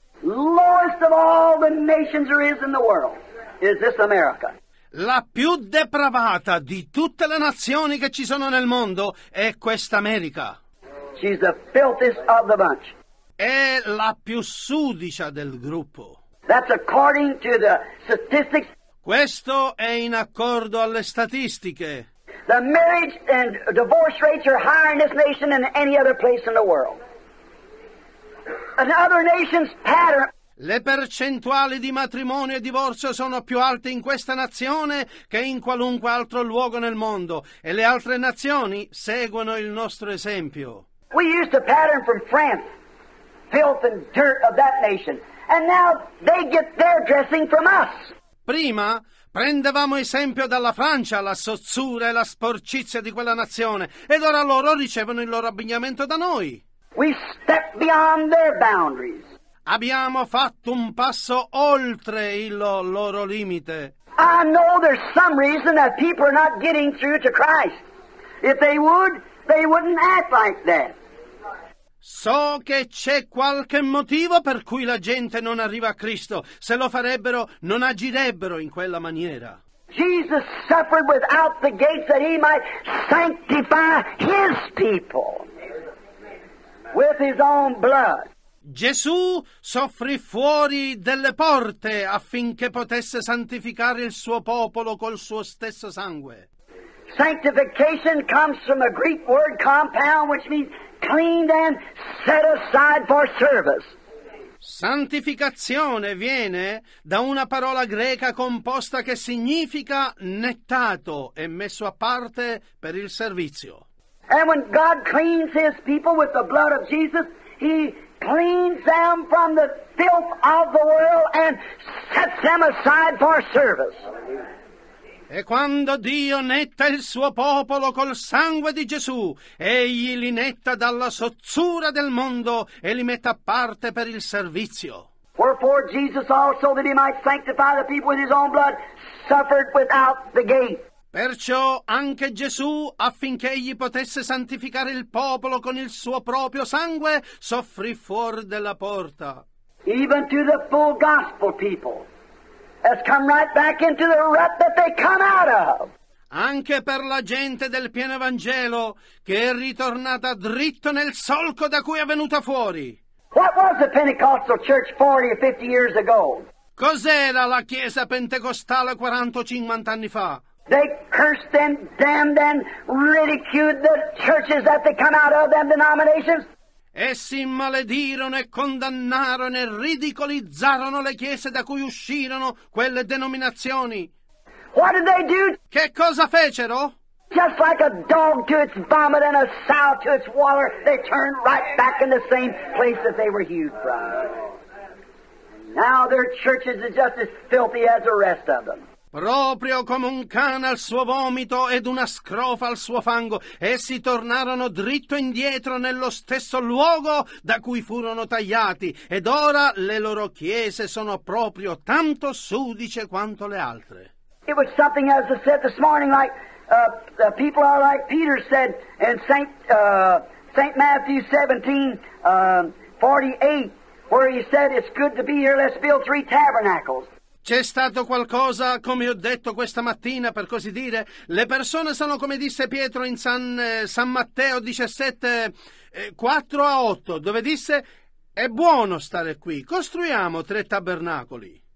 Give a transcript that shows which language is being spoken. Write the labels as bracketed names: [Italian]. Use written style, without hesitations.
[English] Lowest of all the nations there is in the world is this America. [Italian] La più depravata di tutte le nazioni che ci sono nel mondo è questa America. [English] She's the filthiest of the bunch. [Italian] È la più sudicia del gruppo. [English] That's according to the statistics. [Italian] Questo è in accordo alle statistiche. [English] The marriage and divorce rates are higher in this nation than any other place in the world. An other nation's pattern. [Italian] Le percentuali di matrimonio e divorzio sono più alte in questa nazione che in qualunque altro luogo nel mondo, e le altre nazioni seguono il nostro esempio. [English] We used a pattern from France, filth and dirt of that nation, and now they get their dressing from us. [Italian] Prima prendevamo esempio dalla Francia, la sozzura e la sporcizia di quella nazione, ed ora loro ricevono il loro abbigliamento da noi. [English] We step beyond their boundaries. [Italian] Abbiamo fatto un passo oltre il loro limite. [English] I know there's some reason that people are not getting through to Christ. If they would, they wouldn't act like that. [Italian] So che c'è qualche motivo per cui la gente non arriva a Cristo. Se lo farebbero, non agirebbero in quella maniera. [English] Jesus suffered without the gates that he might sanctify his people with his own blood. [Italian] Gesù soffrì fuori delle porte affinché potesse santificare il suo popolo col suo stesso sangue. [English] Sanctification comes from a Greek word compound, which means cleaned and set aside for service. [Italian] Santificazione viene da una parola greca composta che significa nettato e messo a parte per il servizio. [English] And when God cleans his people with the blood of Jesus, he cleans them from the filth of the world and sets them aside for service. [Italian] E quando Dio netta il suo popolo col sangue di Gesù, egli li netta dalla sozzura del mondo e li mette a parte per il servizio. [English] Wherefore Jesus also, that he might sanctify the people with his own blood, suffered without the gate. [Italian] Perciò anche Gesù, affinché egli potesse santificare il popolo con il suo proprio sangue, soffrì fuori della porta. [English] Even to the full gospel people has come right back into the rut that they come out of. [Italian] Anche per la gente del pieno evangelo che è ritornata dritto nel solco da cui è venuta fuori. [English] What was the Pentecostal church 40 or 50 years ago? [Italian] Cos'era la chiesa pentecostale 40 o 50 anni fa? [English] They cursed and damned and ridiculed the churches that they come out of, them denominations. [Italian] Essi maledirono e condannarono e ridicolizzarono le chiese da cui uscirono quelle denominazioni. [English] What did they do? [Italian] Che cosa fecero? [English] Just like a dog to its vomit and a sow to its water, they turned right back in the same place that they were hewed from. Now their churches are just as filthy as the rest of them. [Italian] Proprio come un cane al suo vomito ed una scrofa al suo fango, essi tornarono dritto indietro nello stesso luogo da cui furono tagliati, ed ora le loro chiese sono proprio tanto sudice quanto le altre. [English] It was something, as I said this morning, like people are like Peter said in Saint Matthew 17:48, where he said, it's good to be here, let's build three tabernacles. [Italian] C'è stato qualcosa, come ho detto questa mattina, per così dire, le persone sono come disse Pietro in San Matteo 17:4-8, dove disse, è buono stare qui, costruiamo tre tabernacoli.